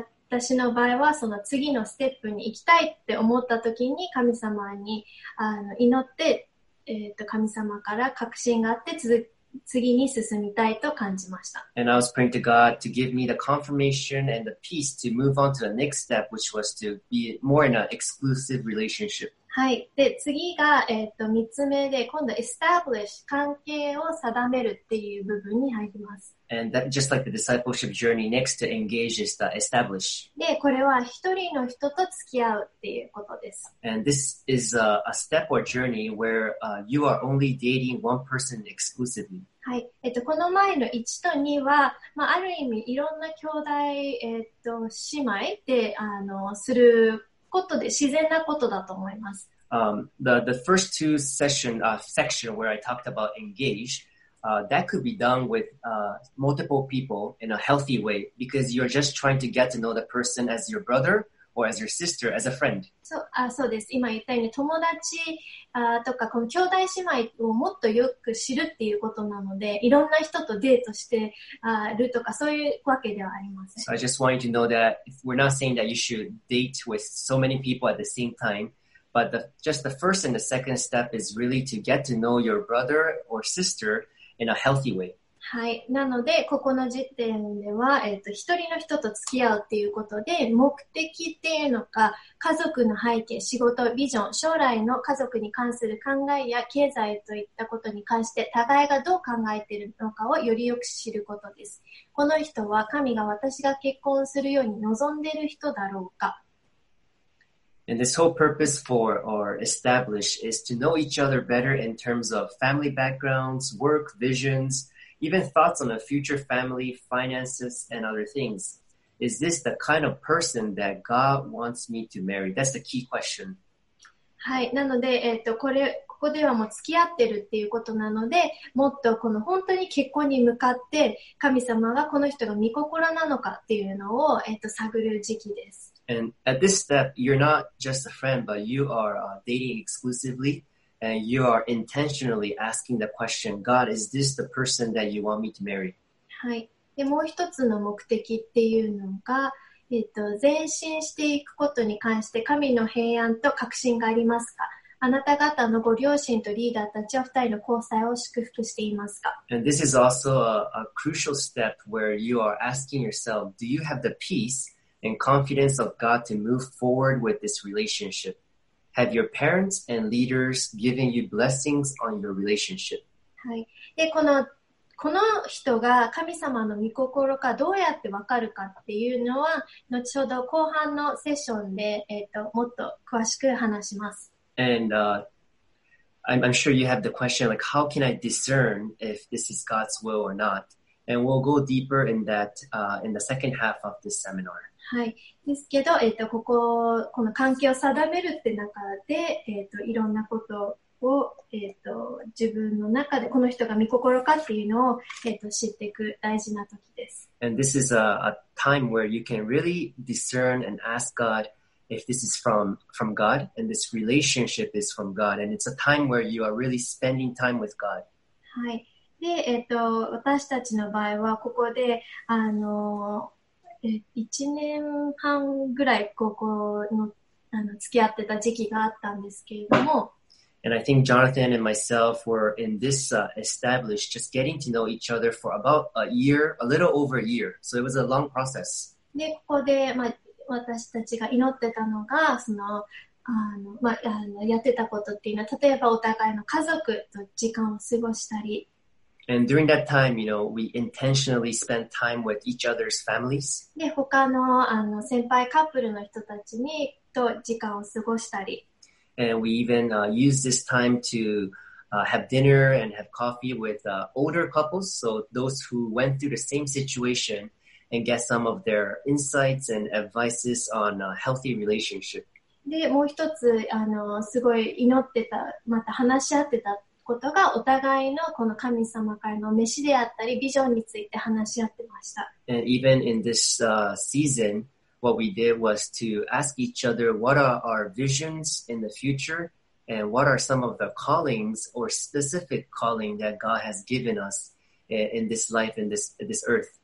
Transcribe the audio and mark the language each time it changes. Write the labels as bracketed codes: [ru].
[ja] 私の場合はその次のステップに行きたいって思った時に神様に祈って、神様から確信があって次に進みたいと感じました。 [en] And I was praying to God to give me the confirmation and the peace to move on to the next step, which was to be more in an exclusive relationship. [ja] はい。で、次が、3つ目で、今度 establish 関係を定めるっていう部分に入ります。 [en] And that, just like the discipleship journey, next to engage is the establish. [ja] で、これは一人の人と付き合うっていうことです。 [en] And this is a step or journey where you are only dating one person exclusively. [ja] はい。この前の1と2は、まあ、ある意味いろんな兄弟、姉妹で、する自然なことだと思います。 [en] The first two session, section where I talked about engage, that could be done with multiple people in a healthy way because you're just trying to get to know the person as your brother or as your sister, as a friend. [ja] そうです。今言ったように友達とかこの兄弟姉妹をもっとよく知るっていうことなので、いろんな人とデートしてるとかそういうわけではありません。 [en] So I just want you to know that we're not saying that you should date with so many people at the same time, but just the first and the second step is really to get to know your brother or sister in a healthy way. [ja] はい。なので、ここの時点では、一人の人と付き合うっていうことで、目的っていうのか、家族の背景、仕事、ビジョン、将来の家族に関する考えや経済といったことに関して、互いがどう考えているのかをよりよく知ることです。この人は神が私が結婚するように望んでいる人だろうか。 [en] And this whole purpose for or establish is to know each other better in terms of family backgrounds, work, visions,Even thoughts on the future family, finances, and other things. Is this the kind of person that God wants me to marry? That's the key question. [ja] はい。なので、ここではもう付き合ってるっていうことなので、もっとこの本当に結婚に向かって、神様がこの人が御心なのかっていうのを、探る時期です。 [en] And at this step, you're not just a friend, but you are, dating exclusively. And you are intentionally asking the question, God, is this the person that you want me to marry? [ja] はい。で、もう一つの目的っていうのが、前進していくことに関して神の平安と確信がありますか？あなた方のご両親とリーダーたちは二人の交際を祝福していますか？ [en] And this is also a crucial step where you are asking yourself, do you have the peace and confidence of God to move forward with this relationship? Have your parents and leaders given you blessings on your relationship? [ja] はい。で、この人が神様の御心かどうやってわかるかっていうのは、後ほど後半のセッションで、もっと詳しく話します。 [en] And, I'm sure you have the question, like, how can I discern if this is God's will or not? And we'll go deeper in that, in the second half of this seminar. [ja] はい。ですけど、この関係を定めるって中で、いろんなことを、自分の中で、この人が御心かっていうのを、知っていく大事な時です。 [en] And this is a time where you can really discern and ask God if this is from God and this relationship is from God. And it's a time where you are really spending time with God. [ja] はい。で、私たちの場合は、ここで、1年半ぐらい高校の、付き合ってた時期があったんですけれども。 [en] And I think Jonathan and myself were in this, established, just getting to know each other for about a year, a little over a year. So it was a long process. [ja] で、ここで、まあ、私たちが祈ってたのが、まあ、やってたことっていうのは、例えばお互いの家族と時間を過ごしたり、 [en] And during that time, you know, we intentionally spent time with each other's families. [ja] で、他の、先輩カップルの人たちにと時間を過ごしたり。 [en] And we even, used this time to, have dinner and have coffee with, older couples. So those who went through the same situation and get some of their insights and advices on a healthy relationship. [ja] で、もう一つ、すごい祈ってた、また話し合ってた。ことがお互いのこの神様からの召しであったりビジョンについて話し合ってました。 [en] And even in this, season, what we did was to ask each other what are our visions in the future and what are some of the callings or specific calling that God has given us in this life, in this earth.